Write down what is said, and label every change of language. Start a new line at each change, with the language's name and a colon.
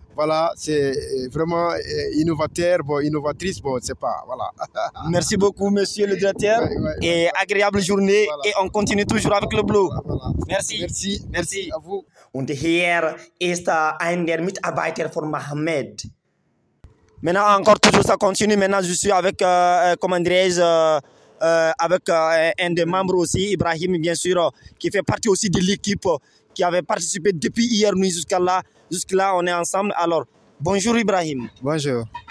French: Voilà, c'est vraiment innovateur, bon, innovatrice, bon, c'est pas, voilà. Merci beaucoup, monsieur le directeur, et agréable journée, voilà. Et on continue toujours avec le Blue. Voilà. Merci. Merci. Merci. Merci à vous.
German: Und hier ist ein der Mitarbeiter von Mohamed.
French: Maintenant, encore toujours, ça continue. Maintenant, je suis avec, comment dirais-je, avec un des membres aussi, Ibrahim, bien sûr, qui fait partie aussi de l'équipe qui avait participé depuis hier nuit jusqu'à là. Jusque-là, on est ensemble. Alors, bonjour Ibrahim. Bonjour.